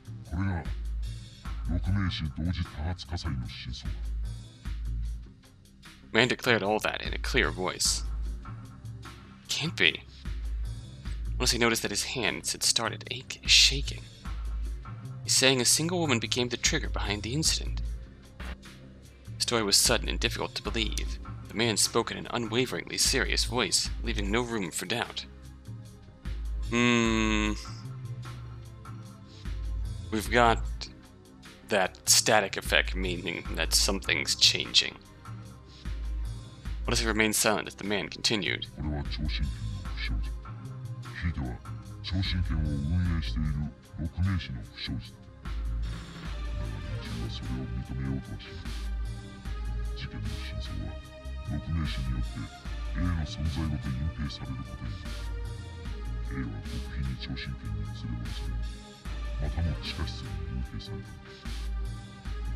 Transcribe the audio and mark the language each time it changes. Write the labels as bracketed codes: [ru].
[ja] これが六名市同時多発火災の真相だ。 [en] Man declared all that in a clear voice. Can't be. Once he noticed that his hands had started shaking. He's saying a single woman became the trigger behind the incident. The story was sudden and difficult to believe. The man spoke in an unwaveringly serious voice, leaving no room for doubt. We've got that static effect, meaning that something's changing. Watase remained silent as the man continued. [ja] これは超神拳の不祥事。ひいては超神拳を運営している六名士の不祥事だ。だが連中はそれを認めようとはしない。事件の真相は六名士によって A の存在ごと隠蔽されることになる。 A は極秘に超神拳に連れ戻され、またも地下室に隠蔽された。